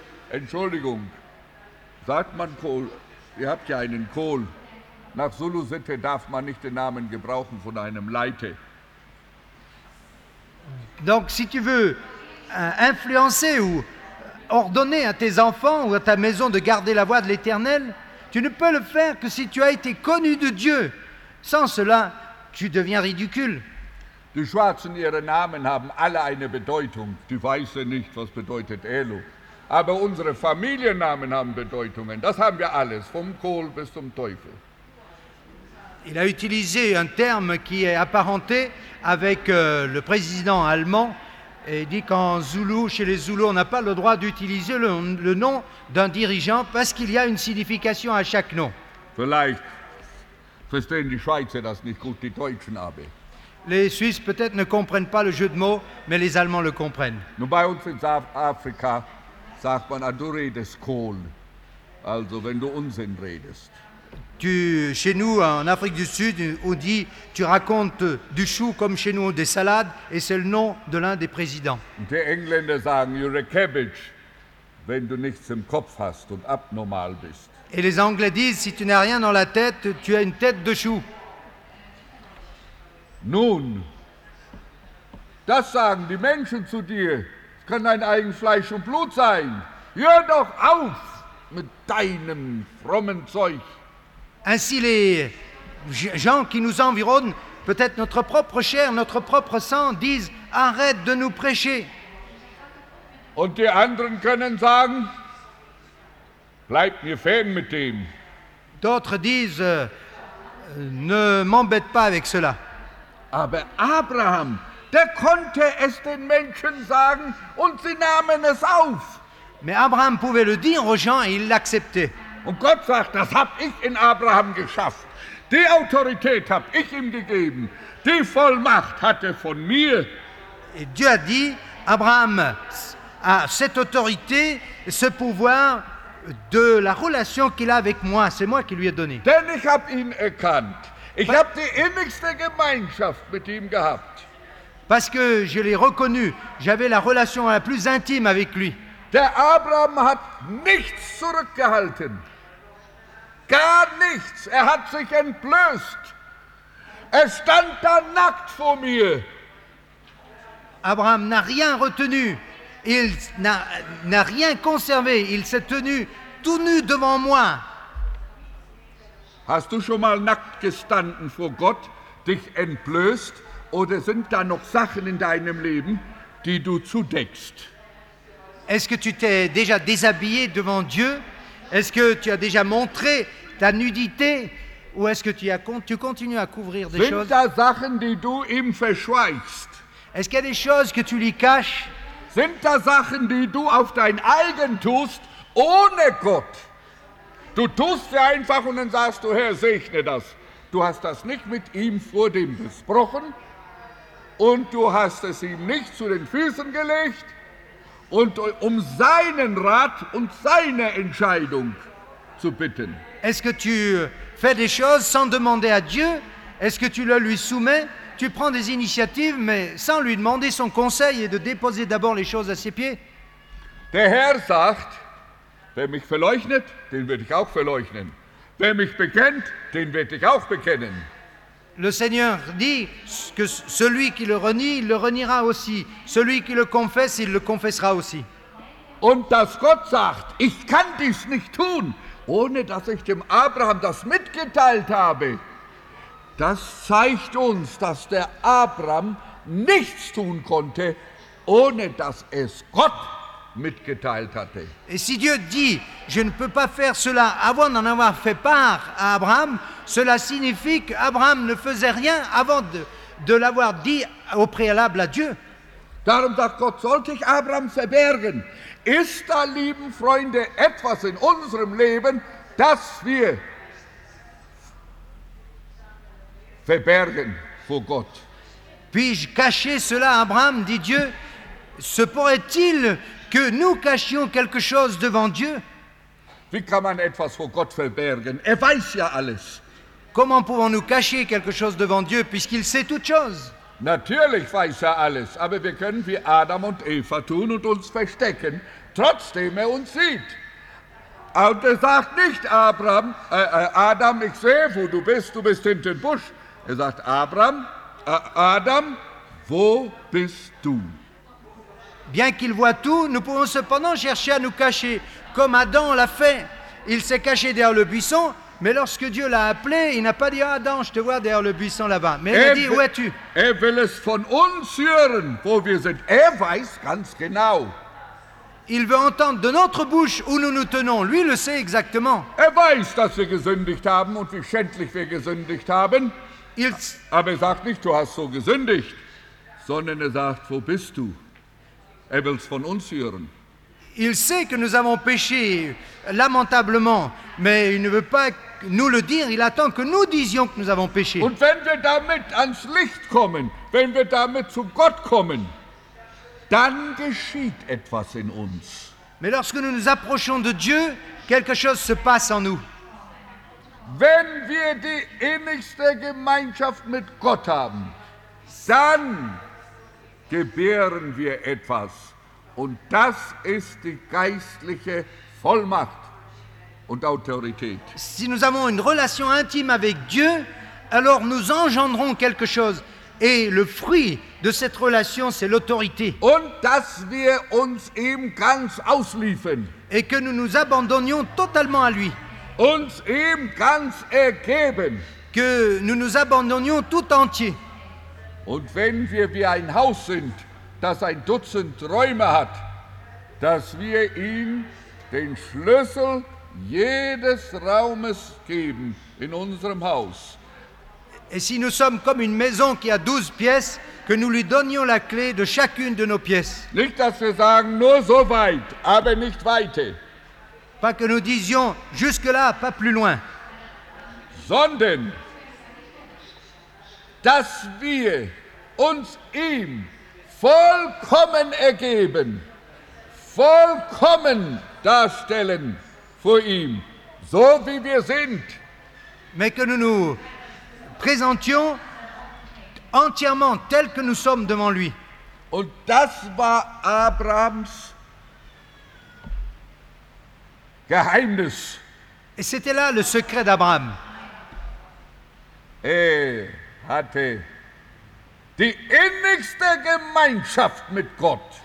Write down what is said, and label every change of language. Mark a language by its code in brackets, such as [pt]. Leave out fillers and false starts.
[de] Entschuldigung, sagt man Kohl, ihr habt ja einen Kohl. Nach Zulu-Sitte darf man nicht den Namen gebrauchen von einem Leiter. [fr] Donc, si tu veux influencer ou ordonner à tes enfants ou à ta maison de garder la voie de l'Éternel, tu ne peux le faire que si tu as été connu de Dieu. Sans cela, tu deviens ridicule. [de] Die Schwarzen, ihre Namen haben alle eine Bedeutung. Die Weißen nicht, was bedeutet Elo. Aber unsere Familiennamen haben Bedeutungen. Das haben wir alles, vom Kohl bis zum Teufel. [fr] Il a utilisé un terme qui est apparenté avec le président allemand. Et dit qu'en Zoulou, chez les Zoulous, on n'a pas le droit d'utiliser le nom d'un dirigeant parce qu'il y a une signification à chaque nom. [de] Vielleicht verstehen die Schweizer das nicht gut, die Deutschen aber. [fr] Les Suisses peut-être ne comprennent pas le jeu de mots, mais les Allemands le comprennent. Nous, [de] bei uns in Afrika, sagt man, du redest Kohl. Also, wenn du Unsinn redest. [fr] Chez nous, en Afrique du Sud, on dit, tu racontes du chou comme chez nous, des salades, et c'est le nom de l'un des présidents. [de] Die Engländer sagen, [en] you're a cabbage, [de] wenn du nichts im Kopf hast und abnormal bist. [fr] Et les Anglais disent, si tu n'as rien dans la tête, tu as une tête de chou. [de] Nun, das sagen die Menschen zu dir, es kann dein eigenes Fleisch und Blut sein. Hör doch auf mit deinem frommen Zeug. [fr] Ainsi les gens qui nous environnent, peut-être notre propre chair, notre propre sang, disent « Arrête de nous prêcher !» [de] Und die anderen können sagen « Bleib mir fern mit dem !» [fr] D'autres disent « Ne m'embête pas avec cela !» [de] Aber Abraham, der konnte es den Menschen sagen und sie nahmen es auf. [fr] Mais Abraham pouvait le dire aux gens et il l'acceptait. [de] Und Gott sagt, das habe ich in Abraham geschafft. Die Autorität habe ich ihm gegeben. Die Vollmacht hat er von mir. [fr] Et Dieu a dit, Abraham a cette autorité, ce pouvoir de la relation qu'il a avec moi. C'est moi qui lui ai donné. [de] Denn ich habe ihn erkannt. Ich habe die innigste Gemeinschaft mit ihm gehabt. [fr] Parce que je l'ai reconnu, j'avais la relation la plus intime avec lui. [de] Der Abraham hat nichts zurückgehalten. Gar nichts. Er hat sich entblößt. Er stand da nackt vor mir. [fr] Abraham n'a rien retenu. Il n'a rien conservé. Il s'est tenu tout nu devant moi. [de] Hast du schon mal nackt gestanden vor Gott, dich entblößt? Oder sind da noch Sachen in deinem Leben, die du zudeckst? [fr] Est-ce que tu t'es déjà déshabillé devant Dieu? Est-ce que tu as déjà montré ta nudité? Ou est-ce que tu continues à couvrir des [de] sind [fr] choses? [de] Sind da Sachen, die du ihm verschweigst? [fr] Est-ce qu'il y a des choses que tu lui caches? [de] Sind da Sachen, die du auf dein eigen tust, ohne Gott? Du tust sie einfach und dann sagst du, Herr, segne das. Du hast das nicht mit ihm vor dem besprochen und du hast es ihm nicht zu den Füßen gelegt. Und um seinen Rat und seine Entscheidung zu bitten. [fr] Est-ce que tu fais des choses sans demander à Dieu? Est-ce que tu le lui soumets? Tu prends des initiatives, mais sans lui demander son conseil et de déposer d'abord les choses à ses pieds? [de] Der Herr sagt, wer mich verleugnet, den werde ich auch verleugnen. Wer mich bekennt, den werde ich auch bekennen. [fr] Le Seigneur dit que celui qui le renie, il le reniera aussi. Celui qui le confesse, il le confessera aussi. [de] Und dass Gott sagt, ich kann dies nicht tun, ohne dass ich dem Abraham das mitgeteilt habe, das zeigt uns, dass der Abraham nichts tun konnte, ohne dass es Gott mitgeteilt hatte. [fr] Et si Dieu dit, je ne peux pas faire cela avant d'en avoir fait part à Abraham, cela signifie qu'Abraham ne faisait rien avant de l'avoir dit au préalable à Dieu. [de] Darum sagt Gott, sollte ich Abraham verbergen, ist da, lieben Freunde, etwas in unserem Leben, das wir verbergen vor Gott. [fr] Puis-je cacher cela, Abraham, dit Dieu? Se pourrait-il que nous cachions quelque chose devant Dieu? [de] Wie kann man etwas vor Gott verbergen? Er weiß ja alles. [fr] Comment pouvons-nous cacher quelque chose devant Dieu puisqu'il sait toute chose? [de] Natürlich weiß er alles, aber wir können wie Adam und Eva tun und uns verstecken, trotzdem er uns sieht. Und er sagt nicht Abraham, Adam, ich sehe, wo du bist hinter dem Busch. Er sagt Abraham, Adam, wo bist du? [fr] Bien qu'il voit tout, nous pouvons cependant chercher à nous cacher, comme Adam l'a fait. Il s'est caché derrière le buisson, mais lorsque Dieu l'a appelé, il n'a pas dit « Adam, je te vois derrière le buisson là-bas ». Mais il a dit « Où es-tu ?» [de] Er will es von uns hören, wo wir sind. Er weiß ganz genau. [fr] Il veut entendre de notre bouche où nous nous tenons. Lui le sait exactement. [de] Er weiß, dass wir gesündigt haben und wie schändlich wir gesündigt haben. Aber er sagt nicht, du hast so gesündigt, sondern er sagt, wo bist du? Er will es von uns hören. [fr] Il sait que nous avons péché, lamentablement, mais il ne veut pas nous le dire, il attend que nous disions que nous avons péché. [de] Und wenn wir damit ans Licht kommen, wenn wir damit zu Gott kommen, dann geschieht etwas in uns. [fr] Mais lorsque nous nous approchons de Dieu, quelque chose se passe en nous. [de] Wenn wir die innigste Gemeinschaft mit Gott haben, dann gebären wir etwas. Und das ist die geistliche Vollmacht und Autorität. [fr] Si nous avons une relation intime avec Dieu, alors nous engendrons quelque chose. Et le fruit de cette relation, c'est l'autorité. [de] Und dass wir uns ihm ganz ausliefern. [fr] Et que nous nous abandonnions totalement à lui. [de] Uns ihm ganz ergeben. [fr] Que nous nous abandonnions tout entier. [de] Und wenn wir wie ein Haus sind, dass ein Dutzend Räume hat, dass wir ihm den Schlüssel jedes Raumes geben in unserem Haus. [fr] Et si nous sommes comme une maison qui a 12 pièces, que nous lui donnions la clé de chacune de nos pièces. [de] Nicht, dass wir sagen, nur so weit, aber nicht weiter. [fr] Pas que nous disions, jusque-là, pas plus loin. [de] Sondern, dass wir uns ihm vollkommen ergeben, vollkommen darstellen vor ihm, so wie wir sind. [fr] Mais que nous nous présentions entièrement tel que nous sommes devant lui. [de] Und das war Abrahams Geheimnis. [fr] Et c'était là le secret d'Abraham. [de] Er hatte die innigste Gemeinschaft mit Gott.